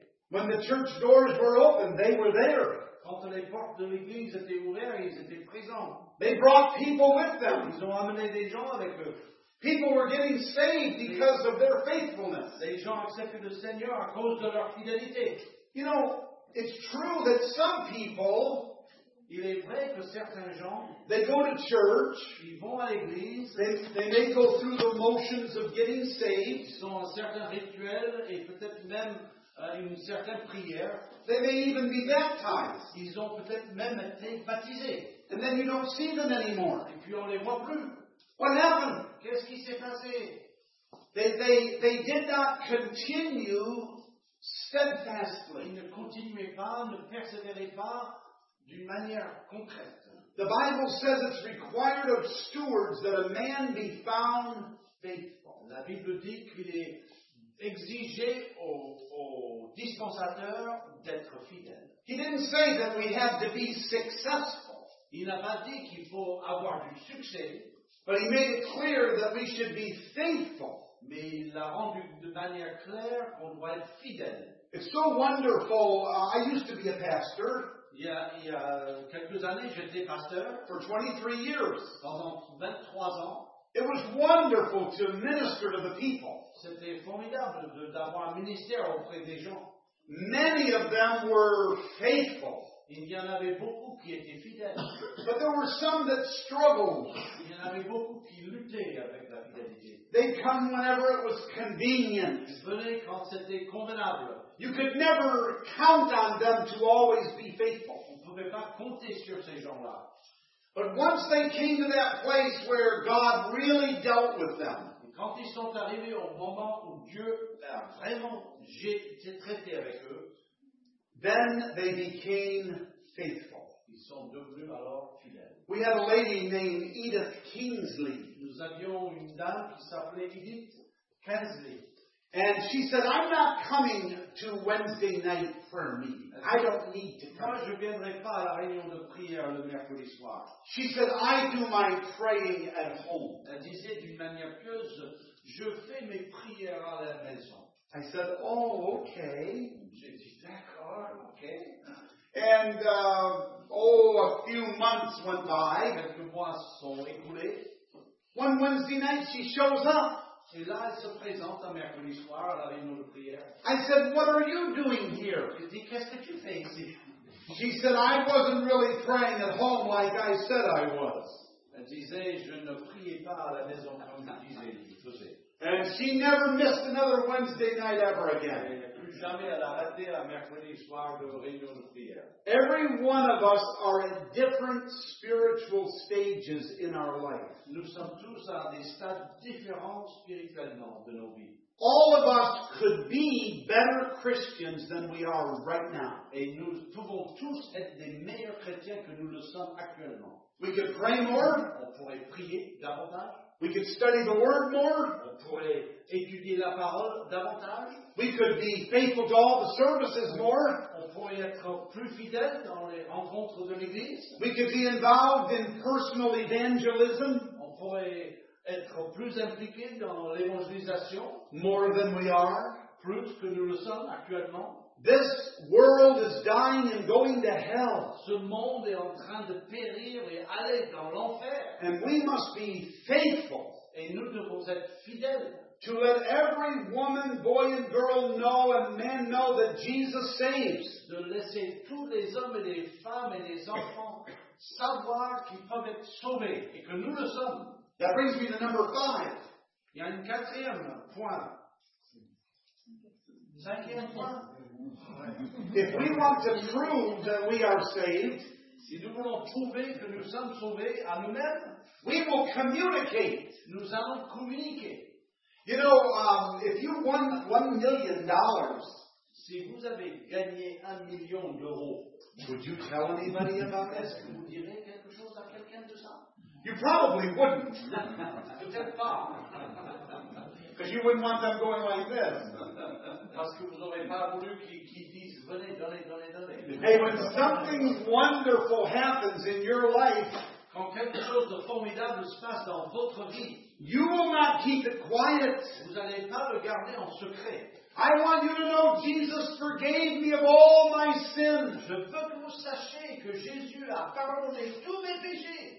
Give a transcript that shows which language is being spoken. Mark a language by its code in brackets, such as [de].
[en] When the church doors were open, they were there. [fr] Quand les portes de l'église étaient ouvertes, ils étaient présents. [en] They brought people with them. [fr] Ils ont amené des gens avec eux. [en] People were getting saved because of their faithfulness. [fr] Les gens acceptaient le Seigneur à cause de leur fidélité. [en] You know, it's true that some people, [fr] il est vrai que certains gens, [en] they go to church, [fr] ils vont à l'église, [en] they may go through the motions of getting saved, [fr] ils sont à certains rituels et peut-être même une certaine prière. [en] They may even be baptized. [fr] Ils ont peut-être même été baptisés. [en] And then you don't see them anymore. [fr] Et puis on les voit plus. [en] What happened? [fr] Qu'est-ce qui s'est passé? [en] They did not continue steadfastly. [fr] Ils ne continuaient pas, ne persévéraient pas d'une manière concrète. [en] The Bible says it's required of stewards that a man be found faithful. [fr] La Bible dit qu'il est exigé au dispensateur d'être fidèle. [en] He didn't say that we have to be successful. [fr] Il n'a pas dit qu'il faut avoir du succès. [en] But he made it clear that we should be faithful. [fr] Mais il l'a rendu de manière claire qu'on doit être fidèle. [en] It's so wonderful. I used to be a pastor. [fr] Il y a quelques années, j'étais pasteur. [en] For 23 years. [fr] Pendant 23 ans. [en] It was wonderful to minister to the people. [fr] C'était formidable d'avoir un ministère auprès des gens. [en] Many of them were faithful. [fr] Il y en avait beaucoup qui étaient fidèles. [en] But there were some that struggled. [fr] Il y en avait beaucoup qui luttaient avec la fidélité. [en] They'd come whenever it was convenient. [fr] Ils venaient quand c'était convenable. [en] You could never count on them to always be faithful. [fr] On pouvait pas compter sur ces gens-là. [en] But once they came to that place where God really dealt with them, [fr] et quand ils sont arrivés au moment où Dieu a vraiment traité avec eux, [en] then they became faithful. [fr] Ils sont devenus alors fidèles. [en] We had a lady named Edith Kingsley. [fr] Nous avions une dame qui s'appelait Edith Kingsley. [en] And she said, I'm not coming to Wednesday night prayer meeting. I don't need to come. [fr] Je viendrai pas à la réunion de prière le mercredi soir. [en] She said, I do my praying at home. [fr] Elle disait d'une manière pieuse, je fais mes prières à la maison. [en] I said, oh, okay. [fr] J'ai dit, d'accord, okay. [en] And, a few months went by. [fr] Quelques mois sont écoulés. [en] One Wednesday night, she shows up. [fr] Et là, elle se présente un mercredi soir à la réunion de prière. [en] I said, what are you doing here? [fr] Je dis, qu'est-ce que tu fais ici? [en] She said, I wasn't really praying at home like I said I was. [fr] Elle disait, je ne priais pas à la maison comme je disais que je faisais. [en] And she never missed another Wednesday night ever again. [fr] Et plus jamais elle a raté un mercredi soir de réunion de prière. [en] Every one of us are at different spiritual stages in our life. [fr] Nous sommes tous à des stades différents spirituellement de nos vies. [en] All of us could be better Christians than we are right now. [fr] Et nous pouvons tous être des meilleurs chrétiens que nous le sommes actuellement. [en] We could pray more. [fr] On pourrait prier davantage. [en] We could study the Word more. [fr] On pourrait étudier la parole davantage. [en] We could be faithful to all the services more. [fr] On pourrait être plus fidèle dans les rencontres de l'Église. [en] We could be involved in personal evangelism. [fr] On pourrait être plus impliqué dans l'évangélisation. [en] More than we are. [fr] Plus que nous le sommes actuellement. [en] This world is dying and going to hell. [fr] Ce monde est en train de périr et aller dans l'enfer. [en] And we must be faithful. [fr] Et nous devons être fidèles. [en] To let every woman, boy and girl know and man know that Jesus saves. [fr] De laisser tous les hommes et les femmes et les enfants savoir qu'ils peuvent être sauvés et que nous le sommes. [en] That brings me to number 5. [fr] Il y a un quatrième point. Cinquième point. [en] If we want to prove that we are saved, [fr] si nous voulons prouver que nous sommes sauvés à nous-mêmes, [en] we will communicate. [fr] Nous allons communiquer. [en] You know, if you won $1 million, [fr] si vous avez gagné un million d'euros, [en] would you tell anybody about this? [fr] Est-ce que vous direz quelque chose à quelqu'un de ça? [en] You probably wouldn't. [fr] Peut-être pas. [en] Because you wouldn't want them going like this. [fr] Parce que vous n'aurez pas voulu qu'ils disent venez, donnez, donnez, donnez. [en] Hey, when something wonderful happens in your life, [fr] quand quelque chose de formidable se passe dans votre vie, [en] you will not keep it quiet. [fr] Vous n'allez pas le garder en secret. [en] I want you to know Jesus forgave me of all my sins. [fr] Je veux que vous sachiez que Jésus a pardonné tous mes péchés.